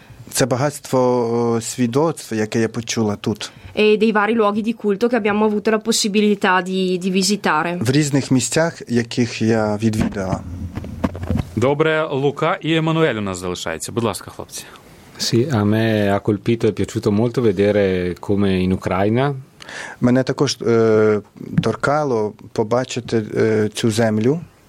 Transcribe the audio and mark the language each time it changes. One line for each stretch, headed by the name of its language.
Ukrainian: Це багатство свідоцтв, яке я почула тут.
Italian: E dei vari luoghi di culto che abbiamo avuto la possibilità di visitare.
Ukrainian: В різних місцях, яких я відвідала. Добре, Лука і Еммануель у нас залишається. Будь ласка, хлопці.
Italian: Sì, a me ha colpito e piaciuto molto vedere come in Ucraina.
Ukrainian: Мене також торкало побачити цю землю.